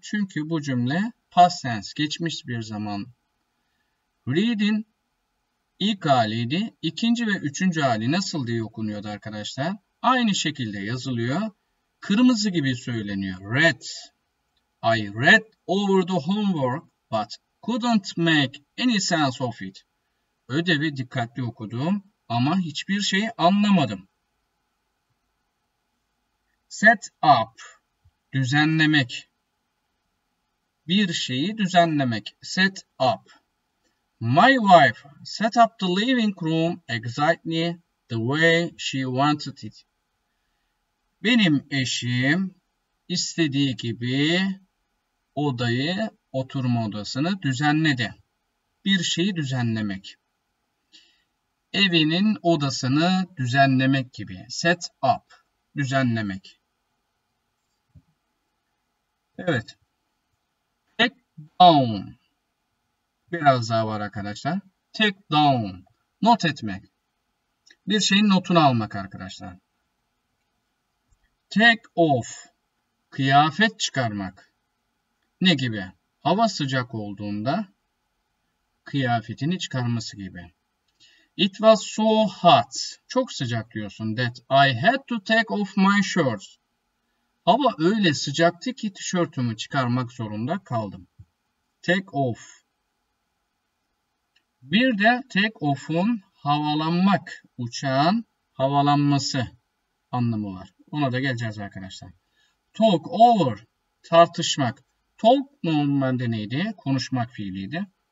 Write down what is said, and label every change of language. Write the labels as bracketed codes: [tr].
[tr] Çünkü bu cümle past tense, geçmiş bir zaman. Read'in ilk haliydi. İkinci ve üçüncü hali nasıl diye okunuyordu arkadaşlar? Aynı şekilde yazılıyor. Kırmızı gibi söyleniyor. Red. [en] I read over the homework but couldn't make any sense of it. [tr] Ödevi dikkatli okudum ama hiçbir şeyi anlamadım. Set up, düzenlemek. Bir şeyi düzenlemek. Set up. [en] My wife set up the living room exactly the way she wanted it. [tr] Benim eşim istediği gibi odayı, oturma odasını düzenledi. Bir şeyi düzenlemek. Evinin odasını düzenlemek gibi. Set up, düzenlemek. Evet. Take down. Biraz daha var arkadaşlar. Take down. Not etmek. Bir şeyin notunu almak arkadaşlar. Take off. Kıyafet çıkarmak. Ne gibi? Hava sıcak olduğunda kıyafetini çıkarması gibi. [en] It was so hot. [tr] Çok sıcak diyorsun. [en] That I had to take off my shorts. [tr] Hava öyle sıcaktı ki tişörtümü çıkarmak zorunda kaldım. Take off. Bir de take off'un havalanmak, uçağın havalanması anlamı var. Ona da geleceğiz arkadaşlar. Talk over, tartışmak. Talk normalde neydi? Konuşmak fiiliydi.